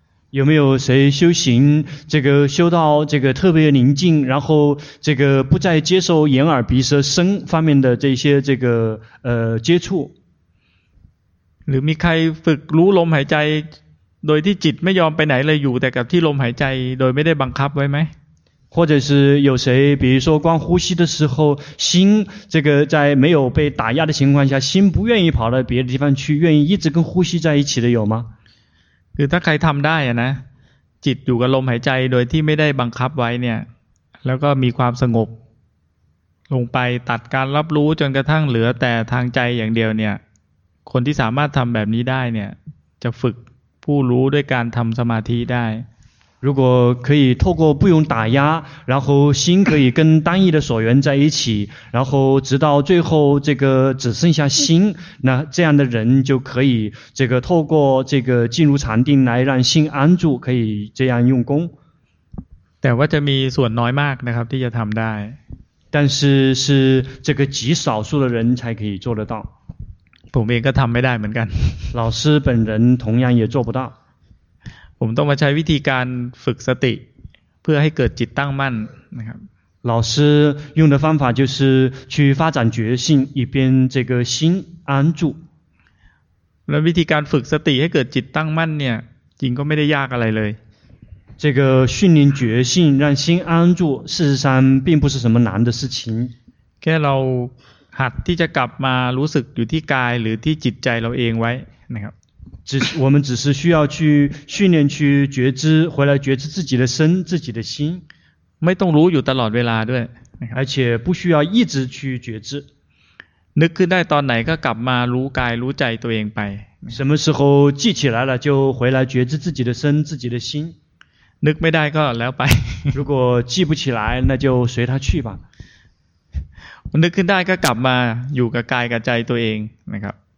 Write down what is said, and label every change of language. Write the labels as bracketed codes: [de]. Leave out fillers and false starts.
[zh] 有没有谁修行这个修到这个特别宁静然后这个不再接受眼耳鼻舌身方面的这些这个接触 [th] หรือมีใครฝึกรู้ลมหายใจโดยที่จิตไม่ยอมไปไหนเลยอยู่แต่กับที่ลมหายใจโดยไม่ได้บังคับไว้ไหม [zh] 或者是有谁比如说光呼吸的时候心这个在没有被打压的情况下心不愿意跑到别的地方去愿意一直跟呼吸在一起的有吗 [th] คือถ้าใครทำได้อะนะจิตอยู่กับลมหายใจโดยที่ไม่ได้บังคับไว้เนี่ยแล้วก็มีความสงบลงไปตัดการรับรู้จนกระทั่งเหลือแต่ทางใจอย่างเดียวเนี่ยคนที่สามารถทำแบบนี้ได้เนี่ยจะฝึกผู้รู้ด้วยการทำสมาธิได้ [zh] 如果可以透过不用打压然后心可以跟单一的所缘在一起然后直到最后这个只剩下心那这样的人就可以这个透过这个进入禅定来让心安住可以这样用功 [th] แต่ว่าจะมีส่วนน้อยมากนะครับที่จะทำได้ [zh] 但是是这个极少数的人才可以做得到 [th] ผมเองก็ทำไม่ได้เหมือนกัน [zh] 老师本人同样也做不到 [th] ผมต้องมาใช้วิธีการฝึกสติเพื่อให้เกิดจิตตั้งมั่นนะครับ [zh] 老师用的方法就是去发展觉性以便这个心安住 [th] แล้ววิธีการฝึกสติให้เกิดจิตตั้งมั่นเนี่ยจริงก็ไม่ได้ยากอะไรเลย [zh] 这个训练觉性让心安住事实上并不是什么难的事情 [th] แค่เราหัดที่จะกลับมารู้สึกอยู่ที่กายหรือที่จิตใจเราเองไว้นะครับ [zh] 我们只是需要去训练去觉知回来觉知自己的身自己的心 [th] ไม่ต้องรู้อยู่ตลอดเวลาด้วย [zh] 而且不需要一直去觉知 [th] นึกขึ้นได้ตอนไหนก็กลับมารู้กายรู้ใจตัวเองไป [zh] 什么时候记起来了就回来觉知自己的身自己的心 [th] นึกไม่ได้ก็แล้วไป [zh] 如果记不起来那就随他去吧 [th] นึกขึ้นได้ก็กลับมาอยู่กับกายกับใจตัวเองนะครับ